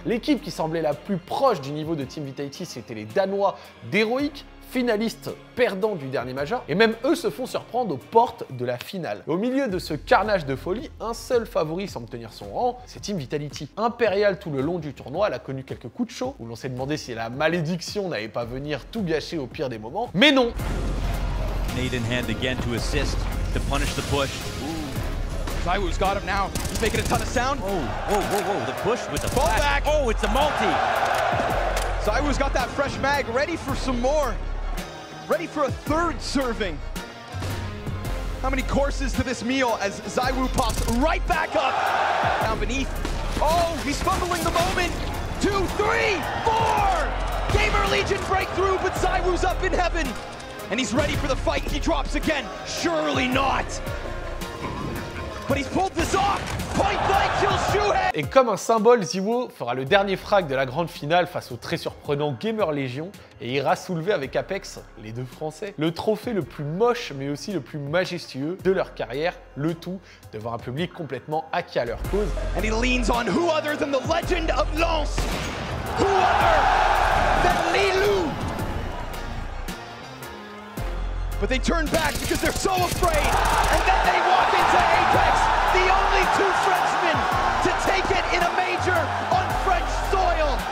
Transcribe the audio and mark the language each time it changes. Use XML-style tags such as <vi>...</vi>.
<fr>L'équipe qui semblait la plus proche du niveau de Team Vitality, c'était les Danois d'Heroic, finalistes perdants du dernier Major, et même eux se font surprendre aux portes de la finale. Au milieu de ce carnage de folie, un seul favori semble tenir son rang, c'est Team Vitality. Imperial, tout le long du tournoi, elle a connu quelques coups de chaud, où l'on s'est demandé si la malédiction n'allait pas venir tout gâcher au pire des moments, mais non.</fr> <en>Nade in hand again to assist, to punish the push. Zywoo's got him now, he's making a ton of sound. Oh, oh, oh, oh, the push with the flash. Fall back. Oh, it's a multi. Zywoo's got that fresh mag, ready for some more. Ready for a third serving. How many courses to this meal as Zywoo pops right back up. Down beneath. Oh, he's fumbling the moment. 2, 3, 4. Gamer Legion breakthrough, but Zywoo's up in heaven. And he's ready for the fight. He drops again. Surely not. But he's pulled this off. Point blank kill Shuhei.</en> <fr>Et comme un symbole, Ziwo fera le dernier frag de la grande finale face au très surprenant Gamer Legion et ira soulever avec Apex, les deux Français, le trophée le plus moche mais aussi le plus majestueux de leur carrière, le tout devant un public complètement acquis à leur cause.</fr> <en>And he leans on who other than the legend of Lens? Who other than Lilou? But they turn back because they're so afraid. And then they walk into Apex, the only two Frenchmen to take it in a major on French soil.</en>